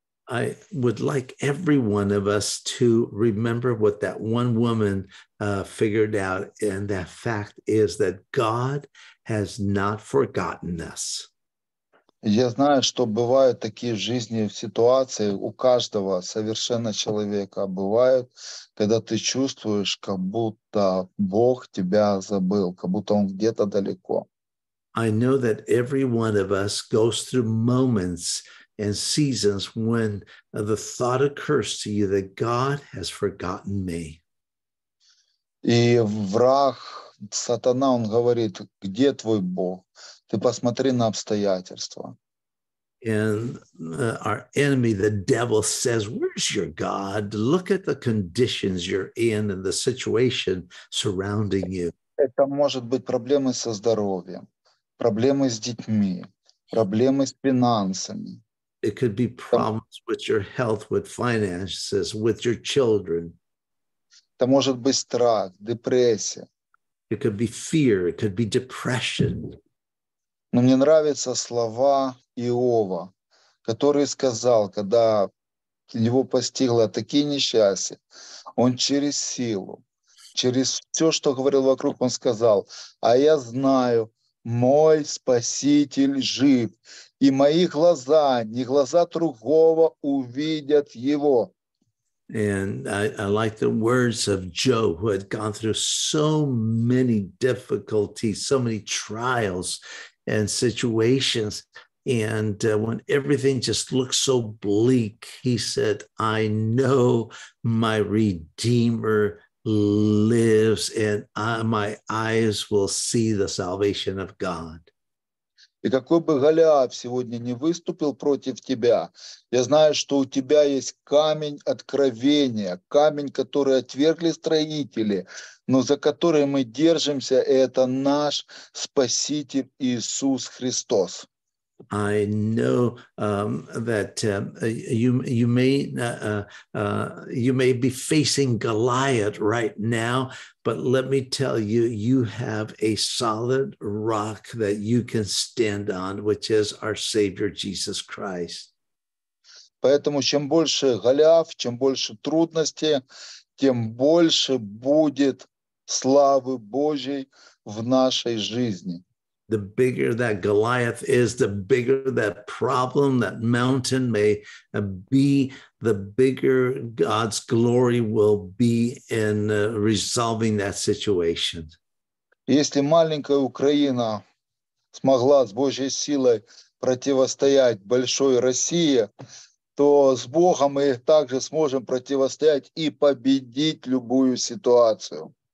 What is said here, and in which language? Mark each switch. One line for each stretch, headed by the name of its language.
English: I would like every one of us to remember what that one woman figured out, and that fact is that God has not forgotten us.
Russian: Я знаю, что бывают такие жизни в ситуации у каждого совершенно человека бывают, когда ты чувствуешь, как будто Бог тебя забыл, как будто он где-то далеко.
English: I know that every one of us goes through moments and seasons when the thought occurs to you that God has forgotten me.
Russian: И враг, сатана, он говорит, где твой Бог? Ты посмотри на обстоятельства.
English: And our enemy, the devil, says, where's your God? Look at the conditions you're in and the situation surrounding you.
Russian: Это может быть проблемы со здоровьем, проблемы с детьми, проблемы с финансами.
English: It could be problems with your health, with finances, with your children.
Russian: Это может быть страх, депрессия.
English: It could be fear, it could be depression.
Russian: Но мне нравятся слова Иова, который сказал, когда его постигло такие несчастья, он через силу, через все, что говорил вокруг, он сказал, а я знаю, мой Спаситель жив, и мои глаза, не глаза другого, увидят его.
English: And I like the words of Job, who had gone through so many difficulties, so many trials and situations. And when everything just looked so bleak, he said, I know my Redeemer lives, and my eyes will see the salvation of God.
Russian: И какой бы Голиаф сегодня не выступил против тебя, я знаю, что у тебя есть камень откровения, камень, который отвергли строители, но за который мы держимся, и это наш Спаситель Иисус Христос.
English: I know that you may be facing Goliath right now, but let me tell you, you have a solid rock that you can stand on, which is our Savior Jesus Christ.
Russian: Поэтому чем больше голяв, чем больше трудностей, тем больше будет славы Божьей в нашей жизни.
English: The bigger that Goliath is, the bigger that problem, that mountain may be, the bigger God's glory will be in resolving that situation.
Russian: Если маленькая Украина смогла с Божьей силой противостоять большой России, то с Богом мы также сможем противостоять и победить любую ситуацию.